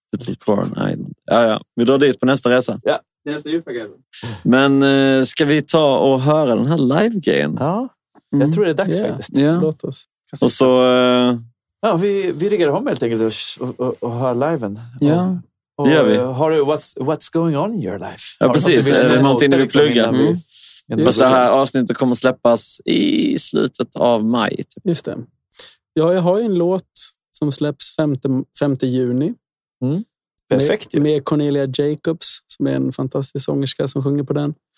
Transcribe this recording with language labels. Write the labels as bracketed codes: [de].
[sv] Little Corn Island. Ja, ja. Vi drar dit på nästa resa. Ja. Men ska vi ta och höra den här live-grejen? Ja, jag tror det är dags faktiskt. Yeah. Låt oss. Och så... ja, vi riggar om helt enkelt och hör liven. Ja, det gör vi. Har du, [en] what's going on in your life? [sv] Ja, precis. Är det någonting du vill plugga? Mm. Det här avsnittet kommer släppas i slutet av maj. Typ. Just det. Ja, jag har ju en låt som släpps 5 juni. Mm. Perfekt. Med Cornelia Jacobs som är en fantastisk sångerska som sjunger på den.